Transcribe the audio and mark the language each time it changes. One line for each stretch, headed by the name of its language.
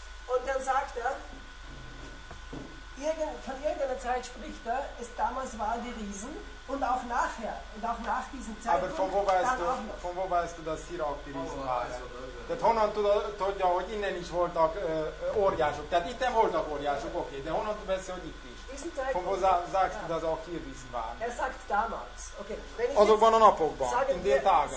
German: Und dann sagt von irgendeiner Zeit spricht es damals waren die Riesen und auch nachher und auch nach diesem Zeitpunkt. Von wo weißt du, dass hier auch die Riesen waren?
Hungarian: Tehát honnan tudja, hogy innen is voltak óriások? Tehát itt nem voltak óriások, oké, de honnan tudja, hogy itt is?
German: Von wo sagst du, dass auch hier Riesen waren? Er sagt damals, oké.
Hungarian: Azokban a napokban,
German: in den Tagen.